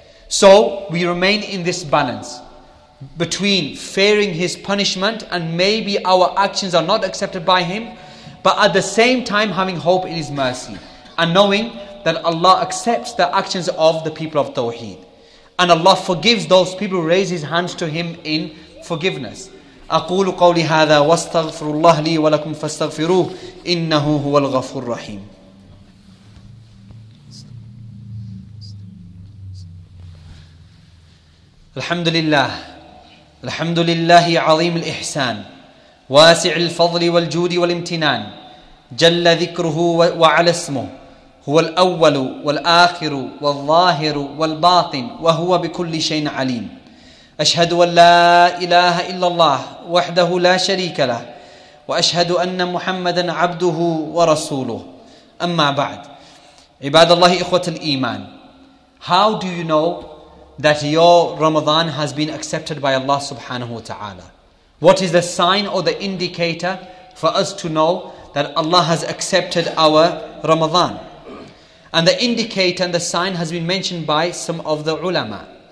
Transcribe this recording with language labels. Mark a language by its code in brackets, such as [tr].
[en] So we remain in this balance between fearing His punishment and maybe our actions are not accepted by Him, but at the same time having hope in His mercy and knowing that Allah accepts the actions of the people of Tawheed. And Allah forgives those people who raise His hands to Him in forgiveness. [ar] أقول قولي هذا واستغفر الله لي ولكم فاستغفروه إنه هو الغفور الرحيم. الحمد لله الحمد لله عظيم الإحسان واسع الفضل والجود والامتنان جل ذكره وعلى اسمه هو الأول والآخر والظاهر والباطن وهو بكل شيء عليم. أشهد أن لا إله إلا الله وحده لا شريك له وأشهد أن محمدا عبده ورسوله. أما بعد عباد الله إخوة الإيمان. [en] How do you know that your Ramadan has been accepted by Allah subhanahu wa ta'ala? What is the sign or the indicator for us to know that Allah has accepted our Ramadan? And the indicator and the sign has been mentioned by some of the ulama.